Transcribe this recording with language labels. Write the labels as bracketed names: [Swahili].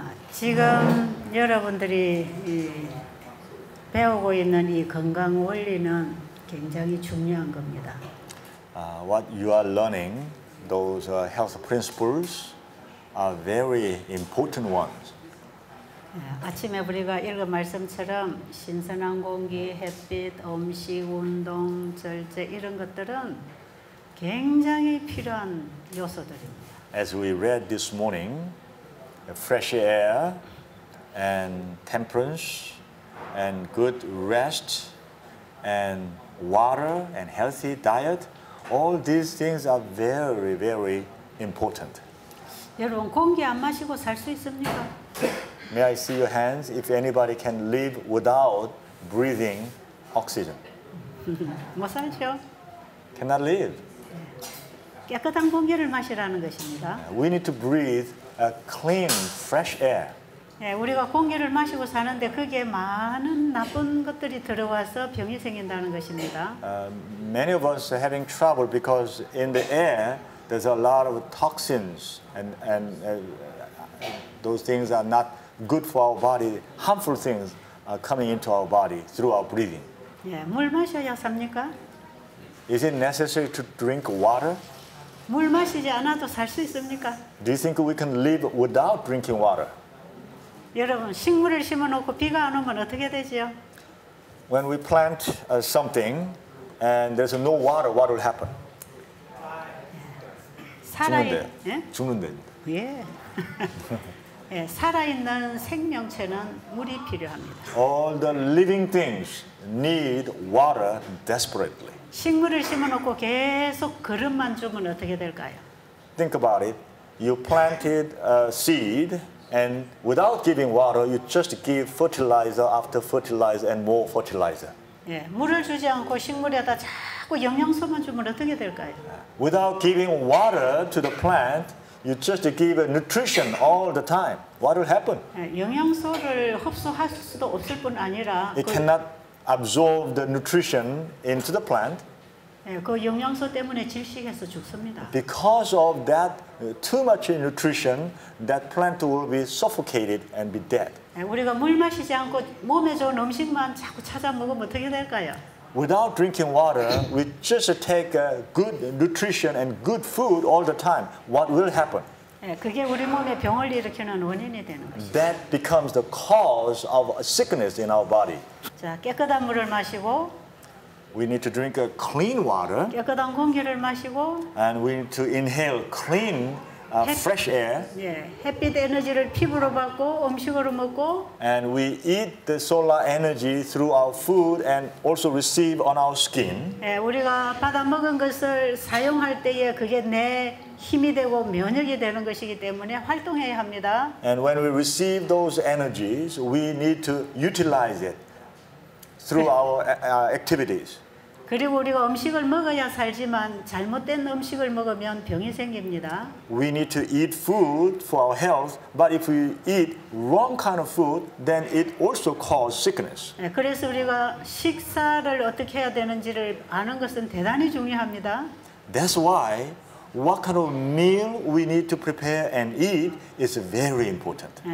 [Korean] 지금 여러분들이 배우고 있는 이 건강 원리는 굉장히 중요한 겁니다. [English] What you are learning, those health principles are very important ones. [Korean] 아침에 우리가 읽은 말씀처럼 신선한 공기, 햇빛, 음식, 운동, 절제 이런 것들은 굉장히 필요한 요소들입니다. [English] As we read this morning, fresh air and temperance and good rest and water and healthy diet, all these things are very, very important. [Korean] 여러분, 공기 안 마시고 살 수 있습니까? [English] May I see your hands if anybody can live without breathing oxygen? [Korean] 못 살죠. [English] Cannot live. [Korean] 깨끗한 공기를 마시라는 것입니다. [English] We need to breathe a clean, fresh air. [Korean] 예, 우리가 공기를 마시고 사는데 거기에 많은 나쁜 것들이 들어와서 병이 생긴다는 것입니다. [English] Many of us are having trouble because in the air there's a lot of toxins and those things are not good for our body. Harmful things are coming into our body through our breathing. [Korean] 예, 물 마셔야 삽니까? [English] Is it necessary to drink water? [Korean] 물 마시지 않아도 살 수 있습니까? [English] Do you think we can live without drinking water? [Korean] 여러분, 식물을 심어놓고 비가 안 오면 어떻게 되지요? [English] When we plant something and there's no water, what will happen? [Korean] 살아있는 죽는데. 예? 죽는데. 예. 예, 살아있는 생명체는 물이 필요합니다. [English] All the living things need water desperately. [Korean] 식물을 심어놓고 계속 거름만 주면 어떻게 될까요? [English] Think about it. You planted a seed, and without giving water, you just give fertilizer after fertilizer and more fertilizer. [Korean] 예, 물을 주지 않고 식물에다 자꾸 영양소만 주면 어떻게 될까요? [English] Without giving water to the plant, you just give nutrition all the time. What will happen? [Korean] 예, 영양소를 흡수할 수도 없을 뿐 아니라 [English] it cannot absorb the nutrition into the plant. [Korean] 예, 그 영양소 때문에 질식해서 죽습니다. [English] Because of that too much nutrition, that plant will be suffocated and be dead. [Korean] 예, 우리가 물 마시지 않고 몸에 좋은 음식만 자꾸 찾아 먹으면 어떻게 될까요? [English] Without drinking water, we just take good nutrition and good food all the time. What will happen? [Korean] 예, 그게 우리 몸에 병을 일으키는 원인이 되는 것이죠. [English] That becomes the cause of a sickness in our body. [Korean] 자, 깨끗한 물을 마시고 [English] We need to drink a clean water. [Korean] 깨끗한 공기를 마시고 [English] And we need to inhale clean fresh air. [Korean] 예, 햇빛 에너지를 피부로 받고 음식으로 먹고 [English] And we eat the solar energy through our food and also receive on our skin. [Korean] 예, 우리가 받아 먹은 것을 사용할 때에 그게 내 힘이 되고 면역이 되는 것이기 때문에 활동해야 합니다. [English] And when we receive those energies, we need to utilize it. Through our activities. [Korean] 그리고 우리가 음식을 먹어야 살지만 잘못된 음식을 먹으면 병이 생깁니다. [English] We need to eat food for our health, but if we eat wrong kind of food, then it also causes sickness. [Korean] 그래서 우리가 식사를 어떻게 해야 되는지를 아는 것은 대단히 중요합니다. [English] That's why what kind of meal we need to prepare and eat is very important.